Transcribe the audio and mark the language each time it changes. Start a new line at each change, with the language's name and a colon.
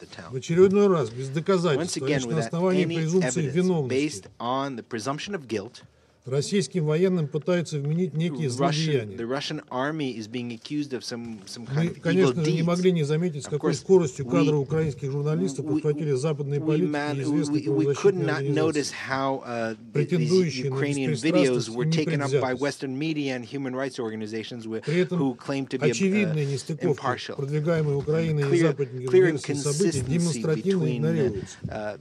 Russian: В очередной раз, без доказательств, а лишь на основании презумпции виновности, российским военным пытаются вменить некие злодеяния.
English: The Russian army is being accused of some kind of evil deeds.
Russian: Мы, конечно же, не могли не заметить, с какой скоростью кадры украинских журналистов подхватили западные политики и претендующие на беспристрастность и непредвзятость. При этом очевидные нестыковки, продвигаемые Украиной и западными украинскими событиями, демонстративно игнорируются.